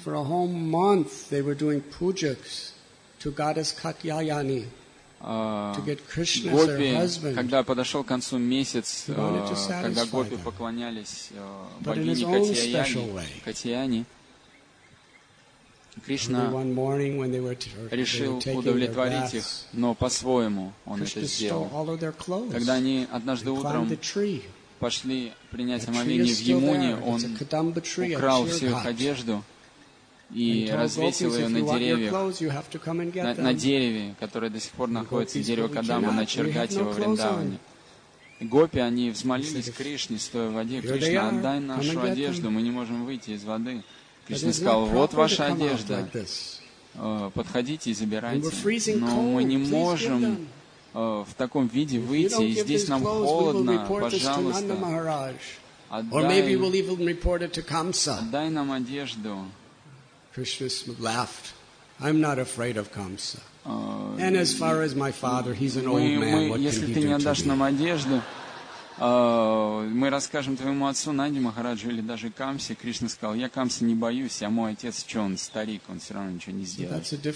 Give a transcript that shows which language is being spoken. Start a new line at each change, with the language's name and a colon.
English: for a whole month, they were doing pujas to goddess Katyayani to get Krishna as their husband.
Russian: Когда подошел к концу месяц, когда гопи поклонялись богине Катьяяни, Кришна решил удовлетворить их, но по-своему он это сделал. Когда они однажды утром пошли принять омовение в Ямуне, он украл всю их одежду и развесил ее на деревьях, на дереве, которое до сих пор находится, дерево Кадамба, на Чергате во Вриндаване. Гопи, они взмолились Кришне, стоя в воде: «Кришна, отдай нашу одежду, мы не можем выйти из воды». Кришна сказал: «Вот ваша одежда, подходите и забирайте, но мы не можем в таком виде выйти, и здесь нам холодно, пожалуйста, отдай нам одежду».
English: Кришна laughed. I'm not afraid of Kamsa. And as far as my father, he's an old man. What can he do?
Russian: Если ты не отдашь нам одежду, мы расскажем твоему отцу Нанди Махараджу или даже Камсе. Кришна сказал: я Камсе не боюсь, а мой отец, что он старик, он все равно ничего не сделает.